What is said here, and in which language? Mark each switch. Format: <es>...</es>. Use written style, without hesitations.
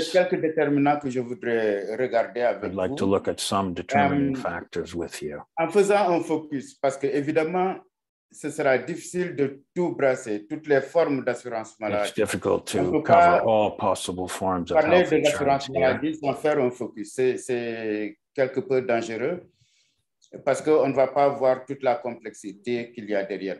<fr>Sont ces quelques déterminants que je voudrais regarder avec</fr> <en>I'd</en> <fr>vous.</fr> <en>I'd like to look at some determining factors with you.</en> <fr>En faisant un focus, parce que évidemment, ce sera difficile de tout brasser, toutes les formes d'assurance maladie.</fr> <en>It's difficult to cover all possible forms of health insurance.</en> <fr>Parler de l'assurance maladie sans faire un focus, c'est quelque peu dangereux parce qu'on ne va pas voir toute la complexité qu'il y a derrière.</fr>